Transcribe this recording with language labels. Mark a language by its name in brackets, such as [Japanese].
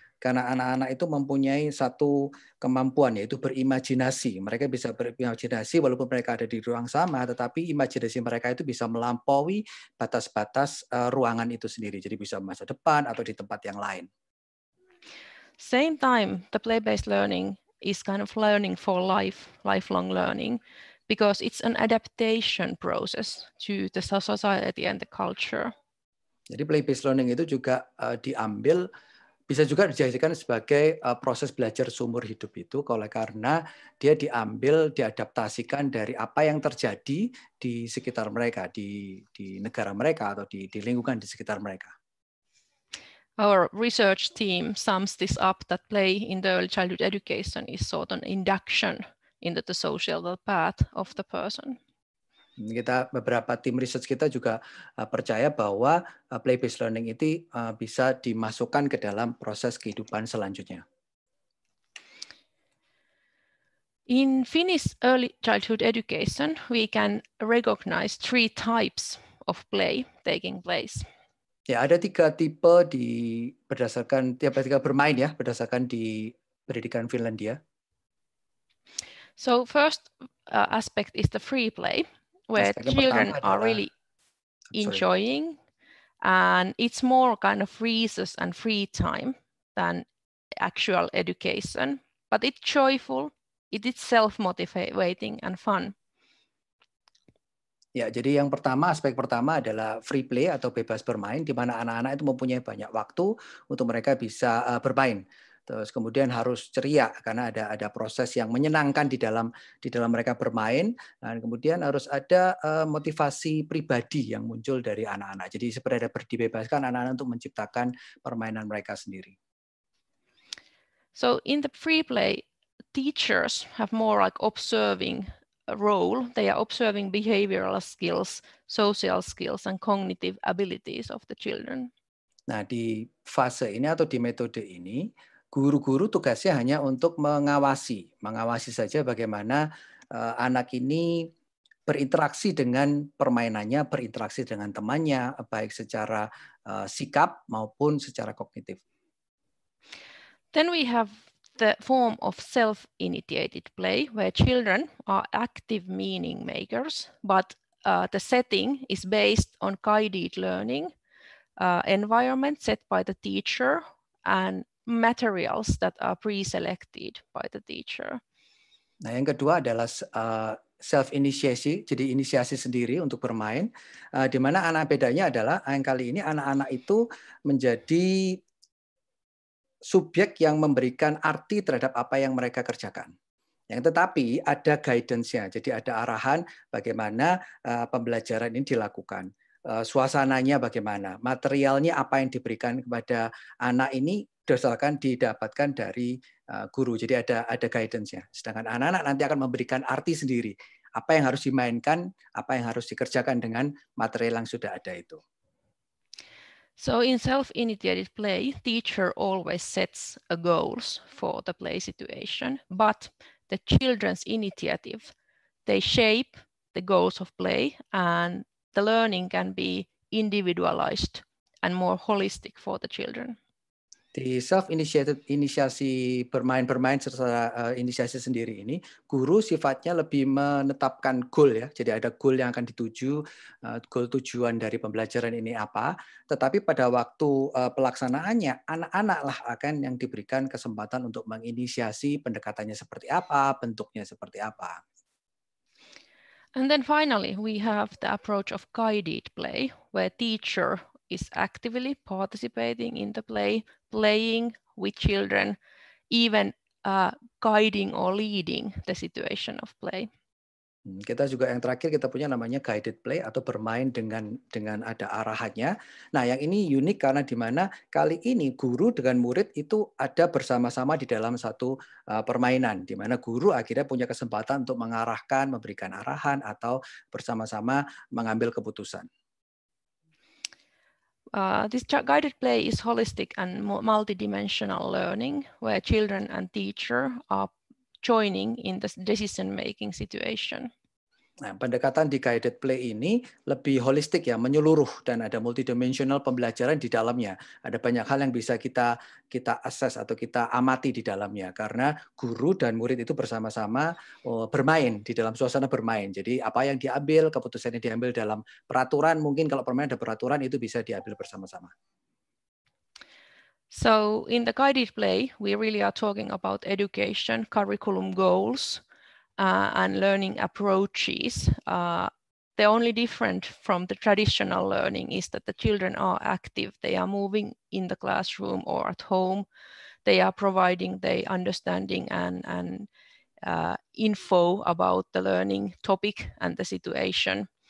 [Indonesian] Karena anak-anak itu mempunyai satu kemampuan, yaitu berimajinasi. Mereka bisa berimajinasi walaupun mereka ada di ruang sama, tetapi imajinasi mereka itu bisa melampaui batas-batas ruangan itu sendiri. Jadi bisa masa depan atau di tempat yang lain. [English] Same time, the play-based learning is kind of learning for life, lifelong learning, because it's an adaptation process to the society and the culture. [Indonesian] Jadi play-based learning itu juga diambil, bisa juga dijadikan sebagai proses belajar seumur hidup itu, oleh karena dia diambil, diadaptasikan dari apa yang terjadi di sekitar mereka, di negara mereka, atau di lingkungan di sekitar mereka. [English] Our research team sums this up that play in the early childhood education is sort of an induction into the social path of the person. [Indonesian] Kita beberapa tim research kita juga percaya bahwa play-based learning itu bisa dimasukkan ke dalam proses kehidupan selanjutnya. [English] In Finnish early childhood education, we can recognize three types of play taking place. [Indonesian] Ya, ada tiga tipe di berdasarkan tiap tiga bermain ya, berdasarkan di pendidikan Finlandia. [English] So first aspect is the free play, where [Indonesian] aspek [English] children [Indonesian] adalah, [English] are really enjoying, and it's more kind of recess and free time than actual education, but it's joyful. It is self-motivating and fun. [Indonesian] Ya, jadi yang pertama, aspek pertama adalah free play atau bebas bermain, di mana anak-anak itu mempunyai banyak waktu untuk mereka bisa bermain. Terus kemudian harus ceria karena ada proses yang menyenangkan di dalam mereka bermain. Dan kemudian harus ada motivasi pribadi yang muncul dari anak-anak. Jadi seperti ada dibebaskan anak-anak untuk menciptakan permainan mereka sendiri. [English] So in the free play, teachers have more like observing role. They are observing behavioral skills, social skills, and cognitive abilities of the children. [Indonesian] Nah, di fase ini atau di metode ini, guru-guru tugasnya hanya untuk mengawasi saja bagaimana anak ini berinteraksi dengan permainannya, berinteraksi dengan temannya, baik secara sikap maupun secara kognitif. [English] Then we have the form of self-initiated play, where children are active meaning makers, but the setting is based on guided learning, environment set by the teacher, and materials that are pre-selected by the teacher. [Indonesian] Nah, yang kedua adalah self-initiasi, jadi inisiasi sendiri untuk bermain, di mana anak bedanya adalah yang kali ini anak-anak itu menjadi subjek yang memberikan arti terhadap apa yang mereka kerjakan. Yang tetapi ada guidance-nya, jadi ada arahan bagaimana pembelajaran ini dilakukan. Suasananya bagaimana, materialnya apa yang diberikan kepada anak ini berdasarkan didapatkan dari guru. Jadi ada guidance-nya. Sedangkan anak-anak nanti akan memberikan arti sendiri. Apa yang harus dimainkan, apa yang harus dikerjakan dengan material yang sudah ada itu. [English] So in self-initiated play, teacher always sets a goals for the play situation, but the children's initiative, they shape the goals of play, and the learning can be individualized and more holistic for the children. [Indonesian] Di self-initiated inisiasi bermain-bermain secara inisiasi sendiri ini, guru sifatnya lebih menetapkan goal ya. Jadi ada goal yang akan dituju, goal tujuan dari pembelajaran ini apa. Tetapi pada waktu pelaksanaannya, anak-anak lah akan yang diberikan kesempatan untuk menginisiasi pendekatannya seperti apa, bentuknya seperti apa. [English] And then finally, we have the approach of guided play, where teacher is actively participating in the play, playing with children, even guiding or leading the situation of play. [Indonesian] Kita juga yang terakhir kita punya namanya guided play atau bermain dengan ada arahannya. Nah, yang ini unik karena di mana kali ini guru dengan murid itu ada bersama-sama di dalam satu permainan di mana guru akhirnya punya kesempatan untuk mengarahkan, memberikan arahan atau bersama-sama mengambil keputusan. [English] This guided play is holistic and multidimensional learning, where children and teacher are joining in the decision-making situation. [Indonesian] Nah, pendekatan di guided play ini lebih holistik ya, menyeluruh dan ada multidimensional pembelajaran di dalamnya. Ada banyak hal yang bisa kita assess atau kita amati di dalamnya, karena guru dan murid itu bersama-sama bermain di dalam suasana bermain. Jadi apa yang diambil, keputusannya diambil dalam peraturan, mungkin kalau permainan ada peraturan itu bisa diambil bersama-sama. [English] So in the guided play, we really are talking about education, curriculum goals, and learning approaches. The only different from the traditional learning is that the children are active. They are moving in the classroom or at home. They are providing their understanding and info about the learning topic and the situation.